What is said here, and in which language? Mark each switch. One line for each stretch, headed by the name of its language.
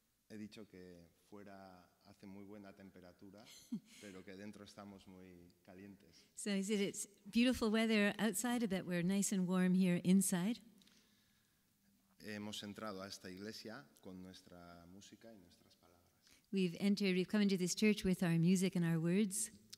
Spanish: He dicho que fuera hace muy buena temperatura, pero que dentro estamos muy calientes.
English: So he said it's beautiful weather outside, but we're nice and warm here inside.
Spanish: Hemos entrado a esta iglesia con nuestra música y nuestras palabras.
English: We've come into this church with our music and our words.